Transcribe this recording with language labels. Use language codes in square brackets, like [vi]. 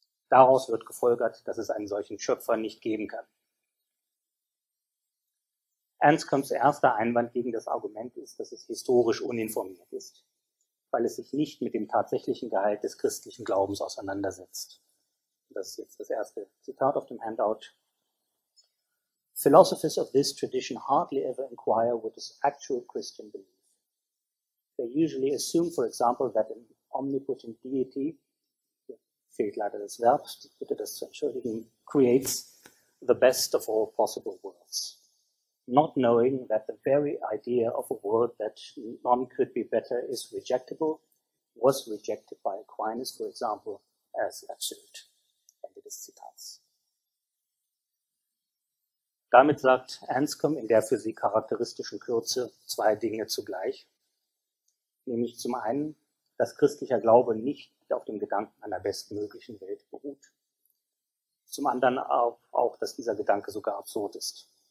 [de] Daraus wird gefolgert, dass es einen solchen Schöpfer nicht geben kann. Ernst Kamps erster Einwand gegen das Argument ist, dass es historisch uninformiert ist, weil es sich nicht mit dem tatsächlichen Gehalt des christlichen Glaubens auseinandersetzt. Das ist jetzt das erste Zitat auf dem Handout. [en] Philosophers of this tradition hardly ever inquire what is actual Christian belief. They usually assume, for example, that an omnipotent deity, [de] hier fehlt leider das Verb, ich bitte das zu entschuldigen, [en] creates the best of all possible worlds, not knowing that the very idea of a world that none could be better is rejectable, was rejected by Aquinas, for example, as absurd. [de] Ende des Zitats. Damit sagt Anscombe in der für sie charakteristischen Kürze zwei Dinge zugleich. Nämlich zum einen, dass christlicher Glaube nicht auf dem Gedanken einer bestmöglichen Welt beruht. Zum anderen auch, dass dieser Gedanke sogar absurd ist.